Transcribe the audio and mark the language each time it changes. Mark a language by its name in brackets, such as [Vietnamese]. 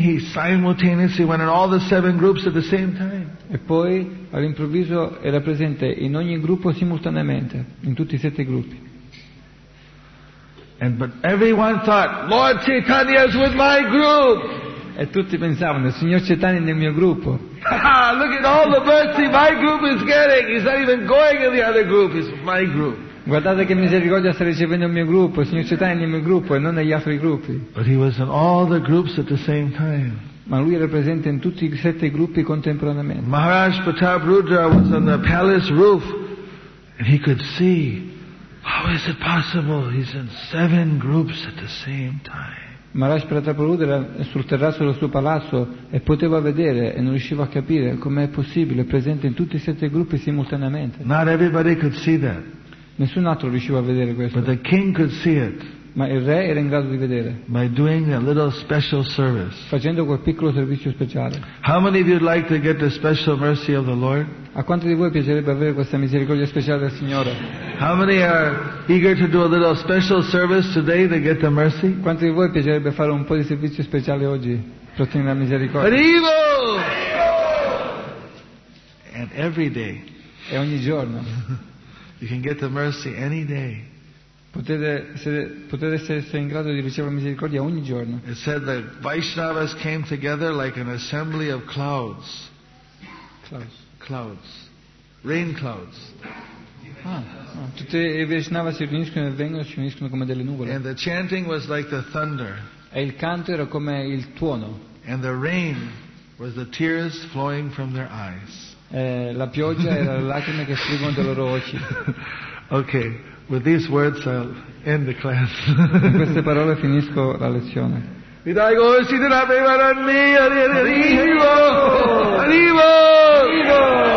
[English] He simultaneously went in all the seven groups at the same time. [Italian] E poi all'improvviso era presente in ogni gruppo simultaneamente, in tutti I sette gruppi. [English] And but everyone thought, Lord Chaitanya is with my group. [Italian] E tutti pensavano, Signor Chaitanya nel mio gruppo. [English] Look at all the mercy my group is getting. He's not even going in the other group. It's my group. [Italian] Guardate che misericordia sta ricevendo il mio gruppo, il signor Chaitanya nel mio gruppo e non negli altri gruppi. [English] But he was in all the groups at the same time. [Italian] Ma lui era presente in tutti I sette gruppi contemporaneamente. [English] Maharaj Pratap Rudra was on the palace roof and he could see, how is it possible he's in seven groups at the same time? [Italian] Maharaj Pratap Rudra sul terrazzo del suo palazzo e poteva vedere e non riusciva a capire come è possibile presente in tutti I sette gruppi simultaneamente. [English] Not everybody could see that. [Italian] Nessun altro riusciva a vedere questo. [English] But the king could see it. [Italian] Ma il re era in grado di vedere. [English] By doing a little special service. [Italian] Facendo quel piccolo servizio speciale. [English] How many of you would like to get the special mercy of the Lord? [Italian] A quanti di voi piacerebbe avere questa misericordia speciale del Signore? [English] How many are eager to do a little special service today to get the mercy? [Italian] Quanti di voi piacerebbe fare un po' di servizio speciale oggi per ottenere la misericordia? Arrivo! [English] And every day. [Italian] E ogni giorno. [English] You can get the mercy any day. [Italian] Potete essere in grado di ricevere misericordia ogni giorno. [English] It said that Vaishnavas came together like an assembly of clouds. Clouds. Clouds. Rain clouds. [Italian] Tutti I Vaishnavas si riuniscono e vengono e si uniscono come delle nuvole. [English] And the chanting was like the thunder. [Italian] E il canto era come il tuono. [English] And the rain was the tears flowing from their eyes. [Italian] La pioggia era le lacrime che fluivano dalle loro occhi. [English] Okay, with these words I'll end the class. [Italian] Con queste parole finisco la lezione. Vidaigo sidra bevaranni arrivo arrivo.